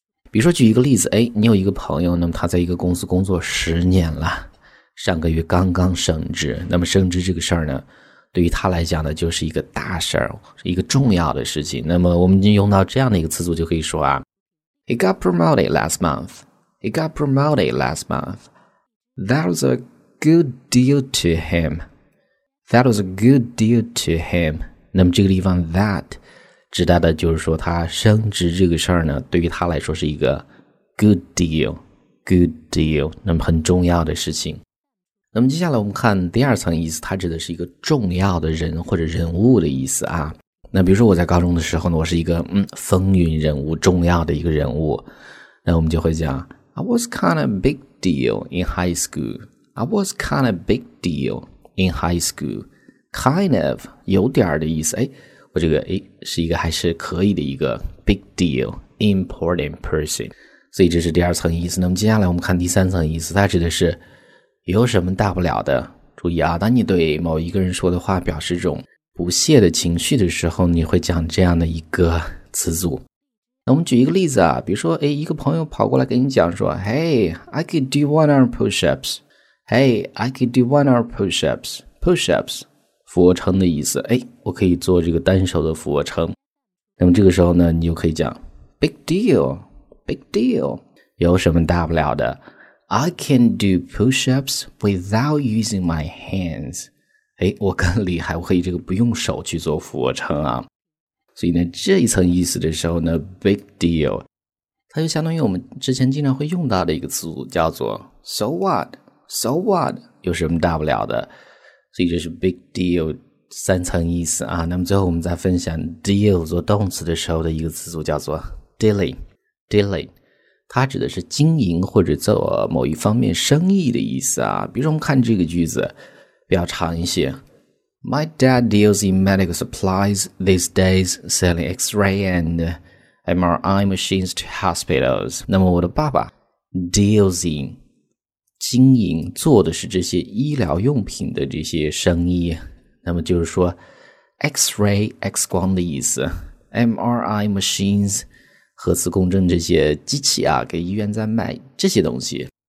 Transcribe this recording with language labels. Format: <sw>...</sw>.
<zh>比如说举一个例子，你有一个朋友，那么他在一个公司工作10年了。上个月刚刚升职，那么升职这个事儿呢，对于他来讲呢，就是一个大事儿，是一个重要的事情。那么我们就用到这样的一个词组就可以说啊 ，</zh> <en>He got promoted last month. He got promoted last month. That was a good deal to him. That was a good deal to him.</en> <zh>那么这个地方 that 指代的就是说他升职这个事儿呢，对于他来说是一个</zh> <en>good deal, good deal.</en> <zh>那么很重要的事情。那么接下来我们看第二层意思，它指的是一个重要的人或者人物的意思啊。那比如说我在高中的时候呢，我是一个风云人物，重要的一个人物。那我们就会讲</zh> <en>I was kind of big deal in high school. I was kind of big deal in high school.</en> <zh>Kind of 有点的意思，我这个是一个还是可以的一个</zh> <en>big deal important person。</en> <zh>所以这是第二层意思。那么接下来我们看第三层意思，它指的是有什么大不了的？注意啊，当你对某一个人说的话表示这种不屑的情绪的时候，你会讲这样的一个词组。那我们举一个例子啊，比如说，一个朋友跑过来跟你讲说 ，</zh> <en>Hey, I could do 100 push-ups. Hey, I could do 100 push-ups. Push-ups，</en> <zh>俯卧撑的意思。我可以做这个单手的俯卧撑。那么这个时候呢，你就可以讲 ，</zh> <en>Big deal, big deal，</en> <zh>有什么大不了的？</zh> <en>I can do push-ups without using my hands.</en> <zh>我更厉害，我可以这个不用手去做俯卧撑啊。所以呢，这一层意思的时候呢 ，big deal， 它就相当于我们之前经常会用到的一个词组，叫做</zh> <en>so what， so what，</en> <zh>有什么大不了的？所以这是 big deal 三层意思啊。那么最后我们再分享 deal 做动词的时候的一个词组，叫做 dealing， dealing。它指的是经营或者做某一方面生意的意思啊。比如说我们看这个句子比较长一些。</zh> <en>My dad deals in medical supplies these days, selling x-ray and MRI machines to hospitals.</en> <zh>那么我的爸爸 deals in, 经营做的是这些医疗用品的这些生意。那么就是说 x-ray, X 光的意思 ,MRI machines,核磁共振这些机器啊，给医院在卖这些东西。</zh>